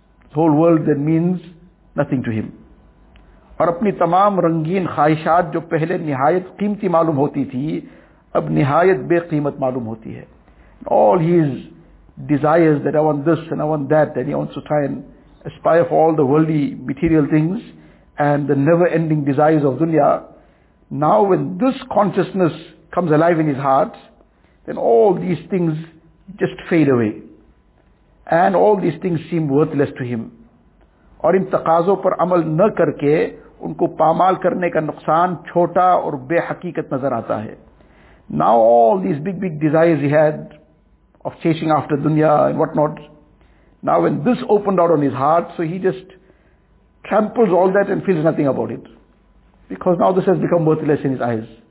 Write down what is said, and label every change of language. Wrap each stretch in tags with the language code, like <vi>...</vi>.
<en>The whole world then means nothing to him.</en> <ur>اور اپنی تمام رنگین خواہشات جو پہلے نہایت قیمتی معلوم ہوتی تھی اب نہایت بے قیمت معلوم ہوتی ہے.</ur> <en>All his desires that I want this and I want that, and he wants to try and aspire for all the worldly material things and the never-ending desires of dunya. Now when this consciousness comes alive in his heart, then all these things just fade away. And all these things seem worthless to him.</en> <ur>اور ان تقاضوں پر عمل نہ کر کے ان کو پامال کرنے کا نقصان چھوٹا اور بے حقیقت نظر آتا ہے.</ur> <en>Now all these big desires he had of chasing after dunya and what not, now when this opened out on his heart, so he just tramples all that and feels nothing about it. Because now this has become worthless in his eyes.</en>